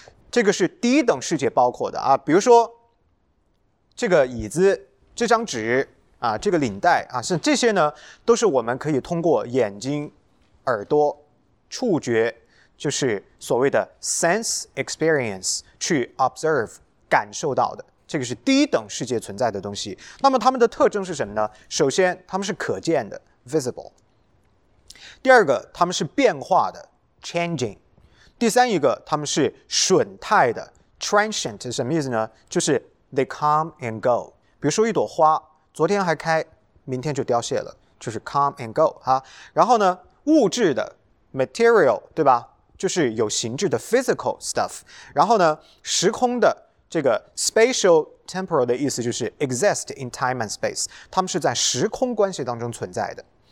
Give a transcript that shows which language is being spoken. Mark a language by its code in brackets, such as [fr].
[zh] 这个是低等世界包括的啊，比如说这个椅子、这张纸啊、这个领带啊，像这些呢，都是我们可以通过眼睛、耳朵、触觉，就是所谓的 sense experience 去 observe 感受到的，这个是低等世界存在的东西。那么它们的特征是什么呢？首先，它们是可见的 visible。第二个，它们是变化的 changing。第三一个，它们是瞬态的 transient， 是什么意思呢？ [en] 就是 they come and go。 [zh] 比如说一朵花，昨天还开，明天就凋谢了，就是 come and go 哈。然后呢，物质的 material 对吧？就是有形质的 physical stuff， 然后呢，时空的这个 spatial temporal 的意思就是 [en] exist in time and space， [zh] 它们是在时空关系当中存在的。